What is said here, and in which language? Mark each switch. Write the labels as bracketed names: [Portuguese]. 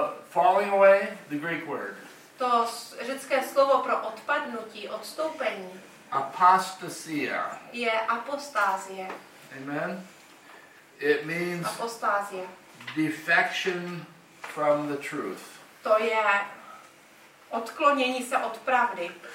[English] Falling away, the Greek word. [Czech] To řecké slovo pro odpadnutí, odstoupení. [Greek] Apostasia. [Czech] Je apostázie. [English] Amen. It means [Czech] apostázie. [English] Defection from the truth. [Czech] To je odklonění se od pravdy.